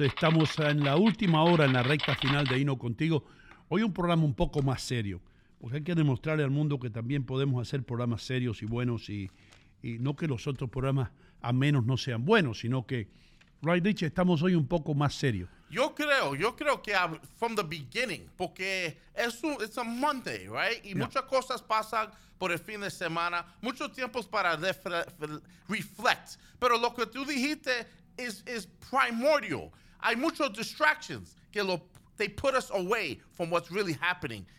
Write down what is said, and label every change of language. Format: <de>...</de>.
<es>Estamos en la última hora, en la recta final de Ino Contigo. Hoy un programa un poco más serio, porque hay que demostrarle al mundo que también podemos hacer programas serios y buenos, y no que los otros programas a menos no sean buenos, sino que, right, Rich, estamos hoy un poco más serios.</es> <en>Yo creo que from the beginning, porque it's a Monday, right?</en> <es>Y muchas cosas pasan por el fin de semana, muchos tiempos para reflect. Pero lo que tú dijiste is primordial.</es> <en>Hay muchos distractions que they put us away from what's really happening.</en>